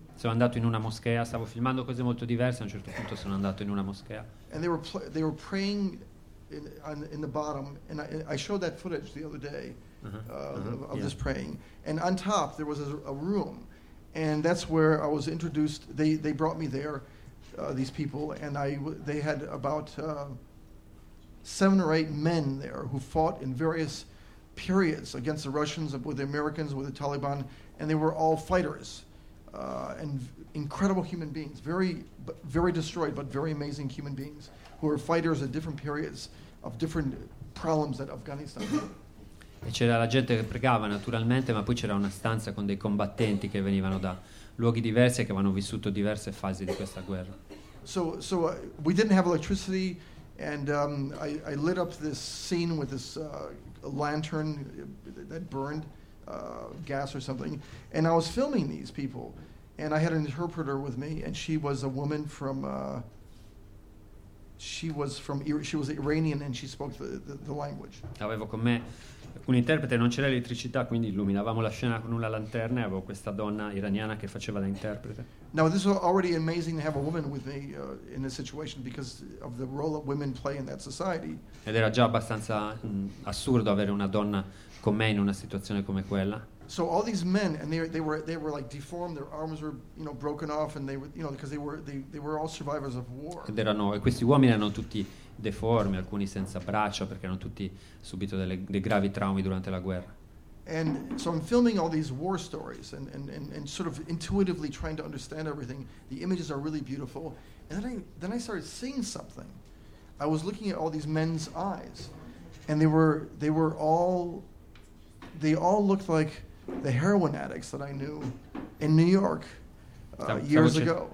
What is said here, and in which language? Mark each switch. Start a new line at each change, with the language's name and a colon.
Italian: Sono andato in una moschea, stavo filmando cose molto diverse, a un certo punto sono andato in una moschea.
English: And they were praying in the bottom, and I showed that footage the other day of this praying. And on top, there was a room, and that's where I was introduced. They brought me there. These people, and they had about 7 or 8 men there who fought in various periods against the Russians, with the Americans, with the Taliban, and they were all fighters and incredible human beings, very, very destroyed, but very amazing human beings who were fighters at different periods of different problems that Afghanistan had.
Italian: E c'era la gente che pregava, naturalmente, ma poi c'era una stanza con dei combattenti che venivano da luoghi diversi che avevano vissuto diverse fasi di questa guerra.
English: So we didn't have electricity, and I lit up this scene with this lantern that burned gas or something, and I was filming these people, and I had an interpreter with me, and she was a woman from she was Iranian, and she spoke the language.
Italian: Avevo con me un interprete, non c'era elettricità, quindi illuminavamo la scena con una lanterna e avevo questa donna iraniana che faceva da interprete.
English: Now this was already amazing to have a woman with me in this situation because of the role that women play in that society.
Italian: Ed era già abbastanza assurdo avere una donna con me in una situazione come quella.
English: So all these men, and they were like deformed, their arms were, you know, broken off, and they were, you know, because they were all survivors of war.
Italian: Ed erano, e questi uomini erano tutti deformi, alcuni senza braccia perché hanno tutti subito dei gravi traumi durante la guerra.
English: And so I'm filming all these war stories and sort of intuitively trying to understand everything. The images are really beautiful. And then I started seeing something. I was looking at all these men's eyes, and they all looked like the heroin addicts that I knew in New York years ago.